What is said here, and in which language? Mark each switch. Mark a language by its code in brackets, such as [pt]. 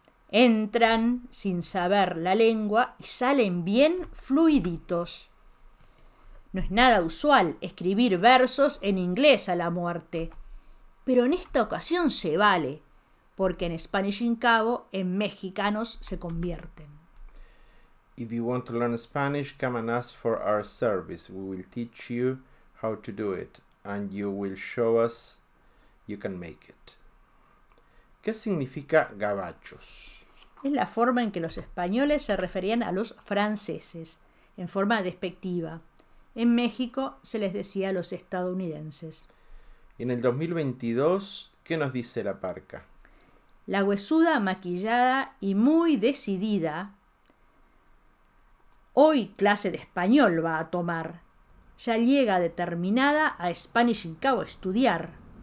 [es] Entran sin saber la lengua y salen bien fluiditos. No es nada usual escribir versos en inglés a la muerte, pero en esta ocasión se vale, porque en Spanish in Cabo en mexicanos se convierten. [en] If you want to learn Spanish, come and ask for our service. We will teach you how to do it, and you will show us you can make it. [es] ¿Qué significa gabachos? Es la forma en que los españoles se referían a los franceses, en forma despectiva. En México se les decía a los estadounidenses. En el 2022, ¿qué nos dice la parca? La huesuda maquillada y muy decidida, hoy clase de español va a tomar. Ya llega determinada a Spanish in Cabo a estudiar.